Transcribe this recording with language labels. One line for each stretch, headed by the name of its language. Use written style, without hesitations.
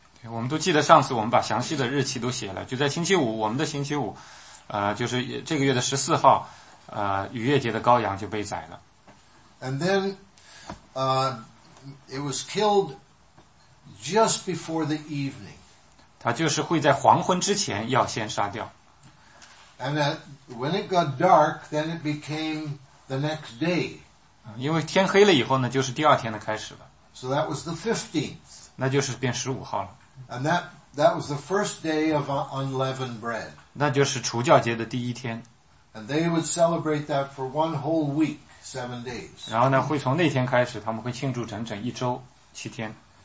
Chinese: 对，我们都记得上次我们把详细的日期都写了，就在星期五，我们的星期五就是这个月的14号逾越节的羔羊就被宰了。
English: And then, it was killed just before the evening.
Chinese: 他就是会在黄昏之前要先杀掉。
English: And when it got dark, then it became the next day.
Chinese: 因为天黑了以后呢就是第二天的开始了。
English: So that was the 15th.
Chinese: 那就是变15号了。
English: And that was the first day of unleavened bread.
Chinese: 那就是除酵节的第一天。
English: And they would celebrate that for one whole week, 7 days.
Chinese: 然后呢，会从那天开始，他们会庆祝整整一周，七天。